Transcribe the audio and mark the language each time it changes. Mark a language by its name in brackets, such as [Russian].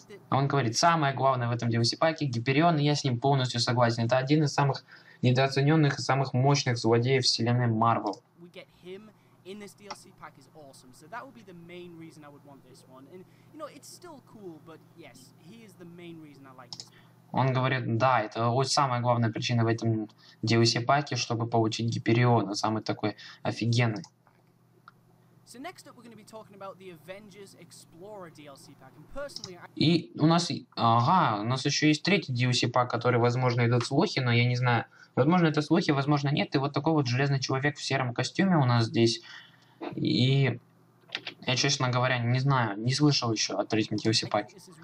[Russian] Он говорит, самое главное в этом DLC-паке — Гиперион, и я с ним полностью согласен. Это один из самых недооцененных и самых мощных злодеев вселенной Марвел. [English] In this DLC pack is awesome, so that would be the main reason I would want this one. And you know, it's still cool, but yes, he is the main reason I like this. [Russian] Он говорит, да, это вот самая главная причина в этом DLC паке, чтобы получить Гипериона, самый такой офигенный. [English] So next up, we're going to be talking about the Avengers Explorer DLC pack. And personally, [Russian] и у нас, ага, у нас еще есть третий DLC пак, который, возможно, идут слухи, но я не знаю. Возможно, это слухи, возможно, нет. И вот такой вот железный человек в сером костюме у нас здесь. И я, честно говоря, не знаю, не слышал еще о третьем DLC паке.